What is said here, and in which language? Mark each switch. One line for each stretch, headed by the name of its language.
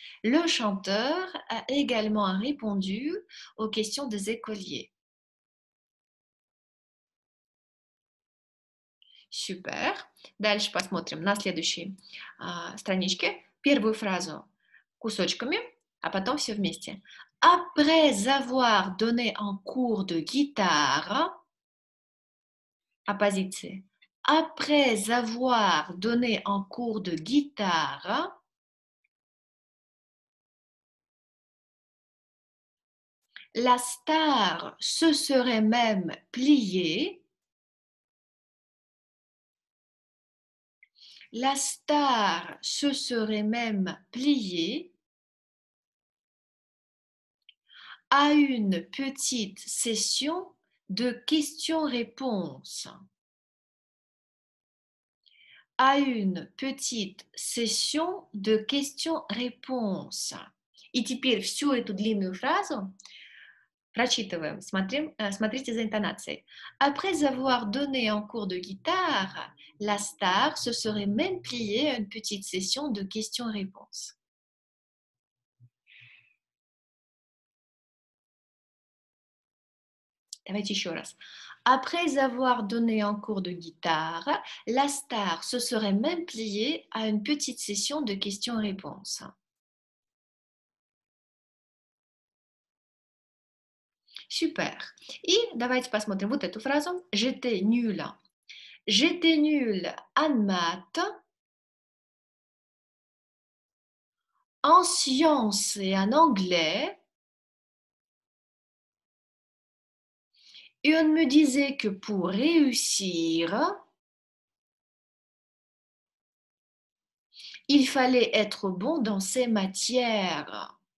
French: Le chanteur a également répondu aux questions des écoliers.
Russian: Супер. Дальше посмотрим на следующей страничке. Первую фразу кусочками, а потом все вместе.
French: Après avoir donné un cours de guitare, оппозиции. Après avoir donné un cours de guitare, la star se serait même pliée. La star se serait même pliée à une petite session de questions-réponses. À une petite session de questions-réponses.
Russian: И теперь всю эту длинную фразу прочитываем. Смотрите за интонацией.
French: Après avoir donné un cours de guitare, la star se serait même pliée à une petite session de questions-réponses.
Russian: Давайте еще раз.
French: Après avoir donné un cours de guitare, la star se serait même pliée à une petite session de questions-réponses. Super.
Russian: И давайте посмотрим вот эту фразу.
French: J'étais nul. J'étais nul en maths, en sciences et en anglais. Et on me disait que pour réussir, il fallait être bon dans ces matières.